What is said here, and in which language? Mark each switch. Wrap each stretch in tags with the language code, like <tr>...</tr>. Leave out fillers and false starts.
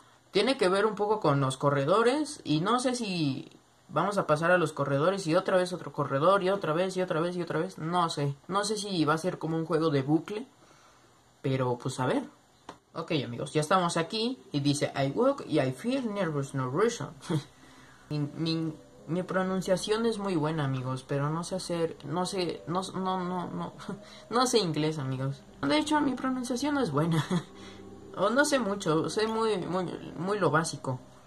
<es>Tiene que ver un poco con los corredores. Y no sé si vamos a pasar a los corredores y otra vez otro corredor y otra vez y otra vez y otra vez. No sé. No sé si va a ser como un juego de bucle. Pero pues a ver. Ok, amigos, ya estamos aquí. Y dice,</es> <en>I walk y I feel nervous, no reason.</en> <es>Mi pronunciación es muy buena, amigos, pero no sé hacer, no sé, no, no, no, no, no sé inglés, amigos. De hecho, mi pronunciación no es buena. O no sé mucho, sé muy lo básico.</es>